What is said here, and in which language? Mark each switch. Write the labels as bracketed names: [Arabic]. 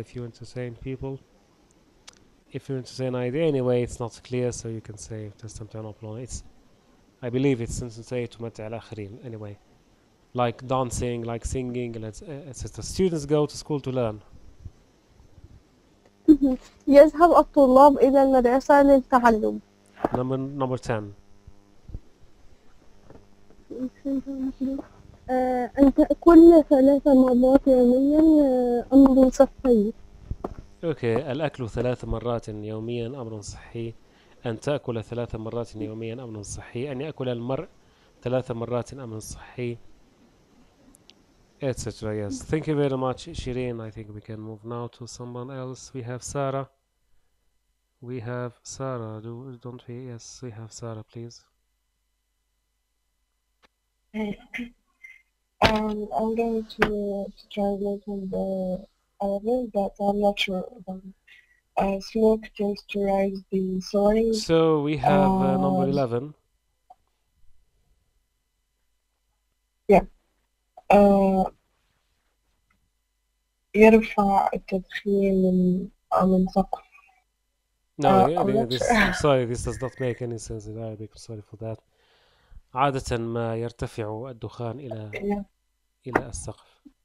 [English] If you entertain people, if you entertain idea, anyway, it's not clear, so you can say [Arabic] تستمتع الآخرين. [English] I believe it's entertain [Arabic] تمتع الآخرين, [English] anyway. Like dancing, like singing, etc. Students go to school to learn. [Arabic] يذهب الطلاب إلى المدرسة للتعلم. [English] Number 10. [Arabic] أن تأكل ثلاث مرات يوميا أمر صحي. Okay, الأكل ثلاث مرات يوميا أمر صحي. أن تأكل ثلاث مرات يوميا أمر صحي. أن يأكل المرء ثلاث مرات أمر صحي. [English] Etc. Yes. Thank you very much, Shireen. I think we can move now to someone else. We have Sarah. We have Sarah. Don't we? Yes, we have Sarah, please. I'm going to translate in the Arabic, but I'm not sure. Smoke tends to rise the soil. So we have number 11. [Arabic] يرفع التدخين من سقف. [English] No, this does not make any sense in Arabic. Sorry for that. [Arabic] عادة ما يرتفع الدخان إلى إلى السقف.